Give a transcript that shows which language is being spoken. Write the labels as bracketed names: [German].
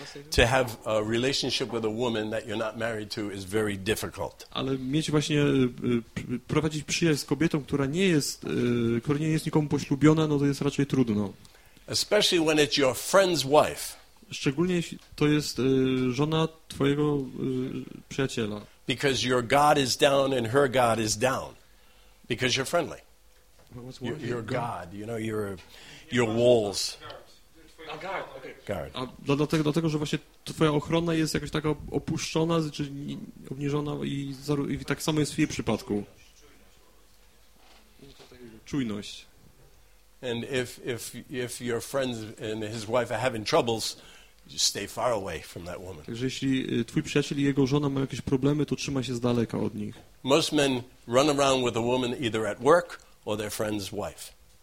[English] To have a relationship with a woman that you're not married to is very difficult. [Polish] Ale mieć właśnie prowadzić przyjaźń z kobietą, która nie jest nikomu poślubiona, no to jest raczej trudno. [English] Especially when it's your friend's wife. [Polish] Szczególnie jeśli to jest żona twojego przyjaciela. [English] Because your God is down and her God is down. Because you're friendly. Your God, you know, your walls. A guard. [Polish] Dlatego, że właśnie twoja ochrona jest jakoś taka opuszczona, czy obniżona i tak samo jest w jej przypadku. Czujność. [English] And if your friend and his wife are having troubles, just stay far away from that woman. [Polish] Także jeśli twój przyjaciel i jego żona mają jakieś problemy, to trzymaj się z daleka od nich. [English] Most men run around with a woman either at work or their friend's wife.